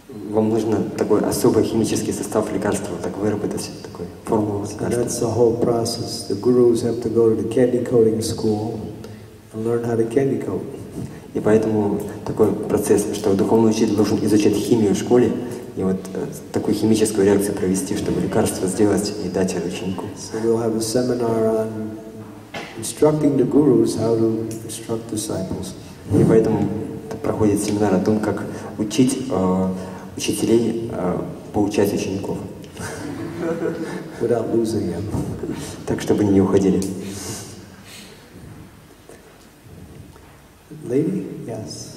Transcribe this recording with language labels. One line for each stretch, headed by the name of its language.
Russian: Вам нужно такой особый химический состав лекарства, так выработать такой формулу лекарства.
English: That's the whole process. The gurus have to go to the candy coating school and learn how to candy coat.
Russian: И поэтому такой процесс, что духовный учитель должен изучать химию в школе и вот такую химическую реакцию провести, чтобы лекарство сделать и дать ученику.
English: So we'll have a seminar on instructing the gurus how to instruct disciples.
Russian: И поэтому проходит семинар о том, как учить учителей поучать учеников.
English: Without losing them.
Russian: Так, чтобы они не уходили.
English: Lady? Yes.